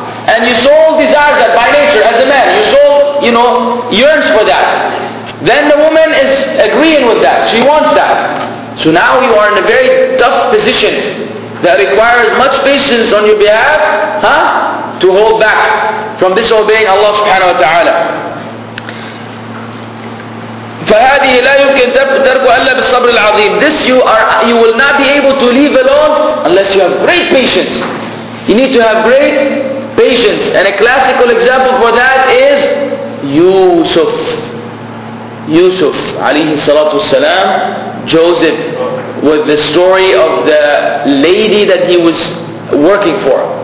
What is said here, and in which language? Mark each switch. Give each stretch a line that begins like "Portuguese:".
English: And your soul desires that by nature as a man. Your soul, yearns for that. Then the woman is agreeing with that. She wants that. So now you are in a very tough position that requires much patience on your behalf, to hold back from disobeying Allah subhanahu wa ta'ala.
Arabic: فهذه لا يمكن تركوا إلا بالصبر العظيم.
English: This you will not be able to leave alone unless you have great patience. You need to have great patience. And a classical example for that is Yusuf. Yusuf
Arabic: عليه الصلاة والسلام,
English: Joseph, with the story of the lady that he was working for.